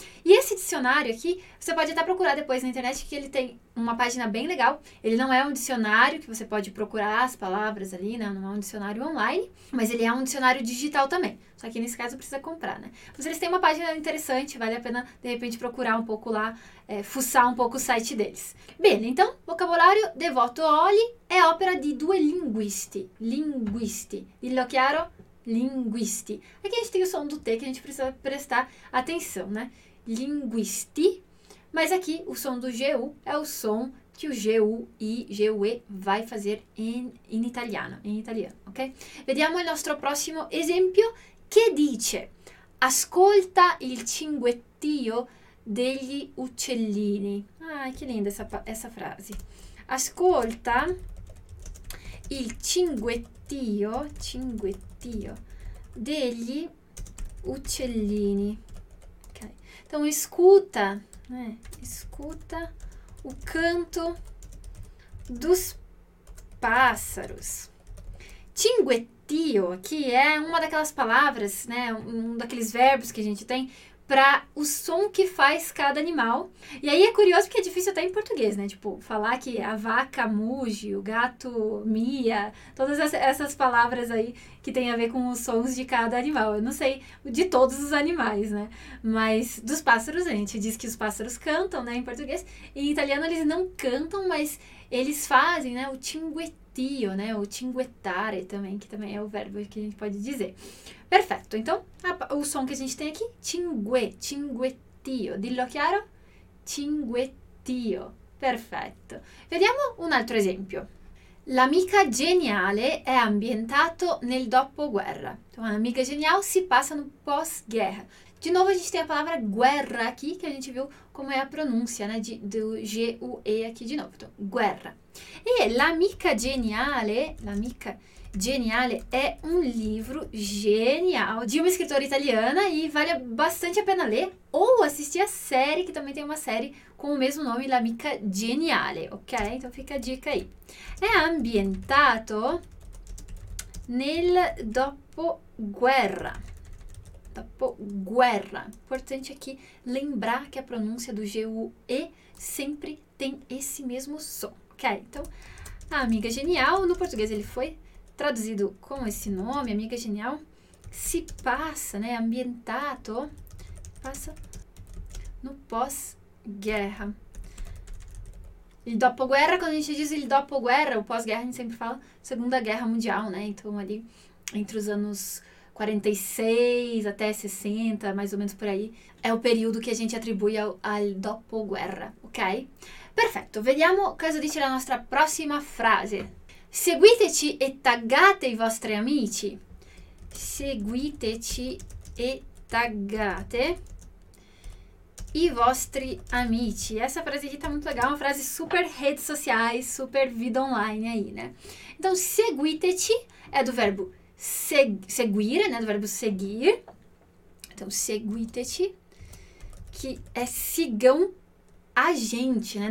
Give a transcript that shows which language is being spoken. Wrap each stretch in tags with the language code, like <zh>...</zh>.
<pt>E esse dicionário aqui, você pode até procurar depois na internet, que ele tem uma página bem legal. Ele não é um dicionário que você pode procurar as palavras ali, né? Não é um dicionário online, mas ele é um dicionário digital também. Só que nesse caso precisa comprar, né? Mas eles têm uma página interessante, vale a pena de repente procurar um pouco lá, fuçar um pouco o site deles.</pt> <it>Bene, então, vocabulário de Votto Oli è opera di due linguisti. Linguisti. Dillo chiaro? Linguisti.</it> <pt>Aqui a gente tem o som do T que a gente precisa prestar atenção, né? Linguisti. Mas aqui o som do GU é o som que o GUI, GUE vai fazer</pt> <it>in italiano, in italiano,</it> <pt>ok?</pt> <it>Vediamo il nostro prossimo esempio che dice: Ascolta il cinguettio degli uccellini. Ah, che</it> <pt>linda essa frase.</pt> <it>Ascolta il cinguettio, cinguettio degli uccellini.</it> <pt>Então, escuta, né? Escuta o canto dos pássaros. Cinguettio, que é uma daquelas palavras, né? Um daqueles verbos que a gente tem para o som que faz cada animal. E aí é curioso porque é difícil até em português, né? Tipo, falar que a vaca muge, o gato mia, todas essas palavras aí que tem a ver com os sons de cada animal. Eu não sei de todos os animais, né? Mas dos pássaros, a gente diz que os pássaros cantam, né? Em português. E em italiano eles não cantam, mas eles fazem, né? O cinguettio, né? O cinguettare também, que também é o verbo que a gente pode dizer. Perfetto, então o som que a gente tem aqui, cingue, cinguettio.</pt> <it>Dillo chiaro? Cinguettio. Perfetto. Vediamo un altro esempio. L'amica geniale è ambientato nel dopoguerra.</it> <pt>Então, l'amica geniale si passa no pós-guerra. De novo, a gente tem a palavra guerra aqui, que a gente viu como é a pronúncia, né? Do G-U-E aqui de novo. Então, guerra. E l'amica geniale, l'amica geniale, é um livro genial de uma escritora italiana e vale bastante a pena ler ou assistir a série, que também tem uma série com o mesmo nome, L'amica geniale, ok? Então fica a dica aí.</pt> <it>È ambientato nel dopoguerra. Dopoguerra.</it> <pt>Importante aqui lembrar que a pronúncia do G-U-E sempre tem esse mesmo som, ok? Então, a amiga genial, no português ele foi traduzido com esse nome, amiga genial, se passa, né? Ambientato, passa no pós-guerra. Il dopoguerra, quando a gente diz il dopoguerra, o pós-guerra, a gente sempre fala Segunda Guerra Mundial, né? Então, ali, entre os anos 46 até 60, mais ou menos por aí, é o período que a gente atribui al dopoguerra, ok?</pt> <it>Perfetto, vediamo cosa dice la nostra prossima frase. Seguiteci e taggate i vostri amici. Seguiteci e taggate i vostri amici.</it> <pt>Essa frase aqui tá muito legal, uma frase super redes sociais, super vida online aí, né? Então, seguiteci é do verbo seguire, né? Do verbo seguir. Então, seguiteci, que é sigam a gente, né?</pt>